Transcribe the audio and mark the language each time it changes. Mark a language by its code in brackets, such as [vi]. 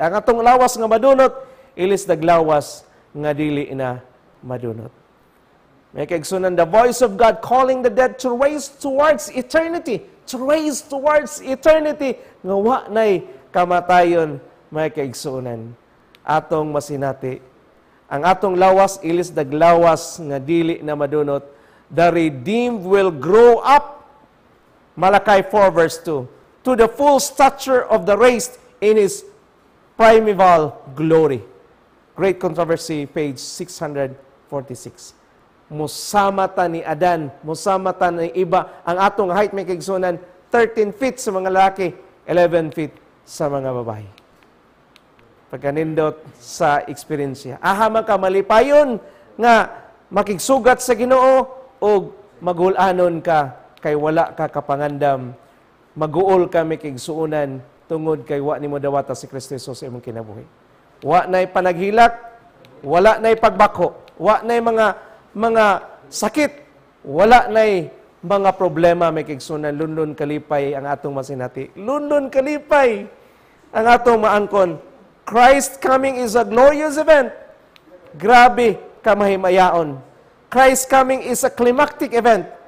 [ceb] Ang atong lawas nga madunot, ilis naglawas nga dili na madunot. May kigsunan, [en] the voice of God calling the dead to raise towards eternity. To raise towards eternity. [ceb] Nga wa na'y kamatayon, may kigsunan. Atong masinati, ang atong lawas, ilis naglawas nga dili na madunot. [en] The redeemed will grow up, Malachi 4 verse 2, to the full stature of the race in His primeval glory. Great Controversy, page 646. [ceb] Musamata ni Adan, musamata ni Iba, ang atong height may kigsunan, 13 feet sa mga lalaki, 11 feet sa mga babae. Pagkanindot sa eksperyensya. Aha, makamalipayon nga makigsugat sa Ginoo, o maghulanon ka kay wala ka kapangandam, maguol ka may kigsuunan tungod kay wa nimo dawata si Kristo Jesus imong kinabuhi. Wa nay panaghilak, wala nay pagbako, wa nay mga sakit, wala nay mga problema makigsunan. Lunlun kalipay ang atong masinati, lunlun kalipay ang atong maangkon. [en] Christ coming is a glorious event. [ceb] Grabe kamahimayaon. [en] Christ coming is a climactic event.